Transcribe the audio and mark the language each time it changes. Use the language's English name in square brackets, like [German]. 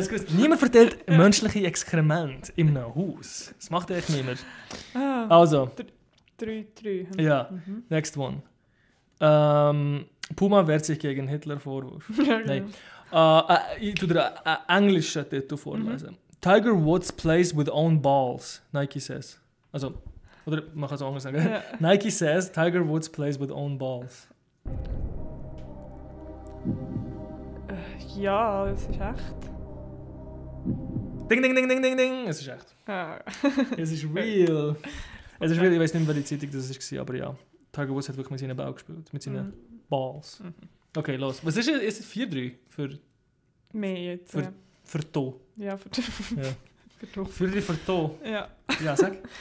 [German] Ich wusste, niemand verteilt menschliche Exkremente in einem Haus. Das macht echt niemand. Ah, also. 3-3. Ja, mhm. [English] Next one. [German] Puma wehrt sich gegen Hitler-Vorwurf. Nein. Ich tue dir einen englischen Titel vorlesen. Mhm. [English] Tiger Woods plays with own balls, Nike says. [German] Also, oder man kann es auch anders sagen. Ja. [English] Nike says, Tiger Woods plays with own balls. [German] Ja, es ist echt. Ding, ding, ding, ding, ding, ding. Es ist echt. Ja. Es ist real. Okay. Es ist real. Ich weiß nicht mehr, welche Zeitung das war, aber ja. Tiger Woods hat wirklich mit seinen Ball gespielt, mit seinen Balls. Mhm. Okay, los. Was ist jetzt 4-3 für... Mehr jetzt, für, ja. Für To. Ja, für To. Ja. 4-3 für To. Ja. Ja, sag.